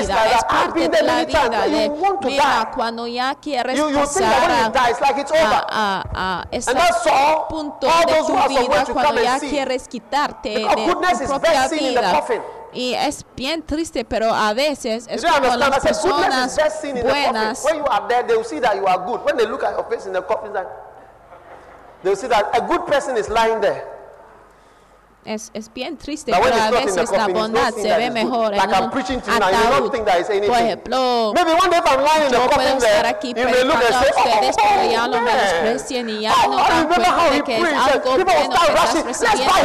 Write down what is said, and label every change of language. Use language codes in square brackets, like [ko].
[es] Es parte de la vida. Mira, cuando ya quieres pasar a ese punto de tu vida, cuando ya quieres quitarte de tu propia vida. Y es bien triste, pero a veces es como las personas buenas. [en] When you are there, they will see that you are good. When they look at your face in the coffin, they will see that a good person is lying there. [es] Es bien triste, pero a veces la bondad se ve mejor en un ataúd. Por ejemplo, yo puedo estar aquí predicando a ustedes, pero ya lo menosprecien y ya no dan cuenta de que es algo bueno que estás recibiendo.